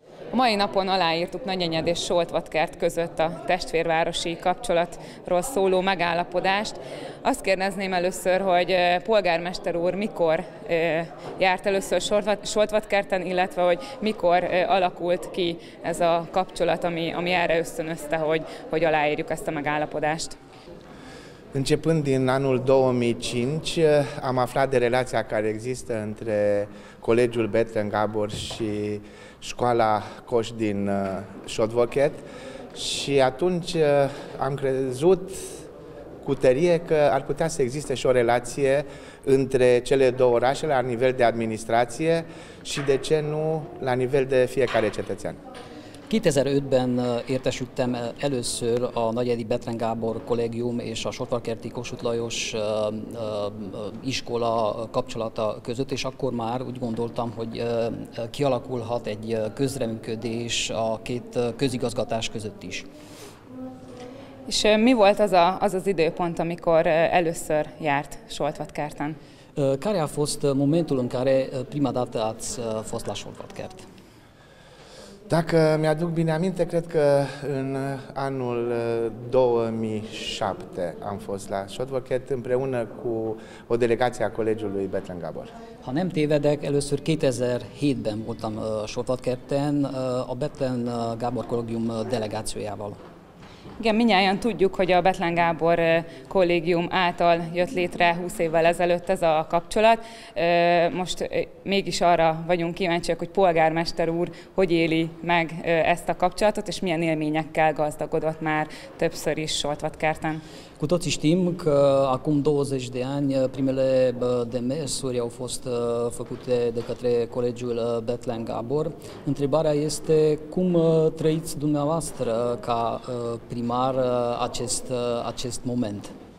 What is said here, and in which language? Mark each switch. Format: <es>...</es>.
<hu>A mai napon aláírtuk Nagyenyed és Solt Vadkert között a testvérvárosi kapcsolatról szóló megállapodást. Azt kérdezném először, hogy polgármester úr mikor járt először Solt Vadkerten, illetve hogy mikor alakult ki ez a kapcsolat, ami erre ösztönözte, hogy aláírjuk ezt a megállapodást.</hu> <ro>Începând din anul 2005, am aflat de relația care există între Colegiul Bethlen Gábor și Școala Coș din Șodvochet și atunci am crezut cu tărie că ar putea să existe și o relație între cele două orașe la nivel de administrație și de ce nu la nivel de fiecare cetățean.</ro> <hu>2005-ben értesültem először a Nagyenyedi Bethlen Gábor Kollégium és a Solt Vadkerti Kossuth Lajos iskola kapcsolata között, és akkor már úgy gondoltam, hogy kialakulhat egy közreműködés a két közigazgatás között is. És mi volt az az időpont, amikor először járt Solt Vadkerten?</hu> <ro>Care a fost momentul în care prima dată ați fost la Solt Vadkert? Dacă mi-aduc bine aminte, cred că în anul 2007 am fost la Solt Vadkert împreună cu o delegație a Colegiului Bethlen Gábor.</ro> <hu>Ha nem tévedek, először 2007-ben voltam Solt Vadkerten a Bethlen Gábor Kollégium delegációjával. Igen, mindjárt tudjuk, hogy a Bethlen Gábor Kollégium által jött létre 20 évvel ezelőtt ez a kapcsolat. Most mégis arra vagyunk kíváncsiak, hogy polgármester úr hogy éli meg ezt a kapcsolatot, és milyen élményekkel gazdagodott már többször is Solt Vadkerten.</hu> <ro>Cu toții știm că acum 20 de ani primele demersuri au fost făcute de către colegiul Bethlen Gábor. Întrebarea este cum trăiți dumneavoastră ca primar acest moment?</ro>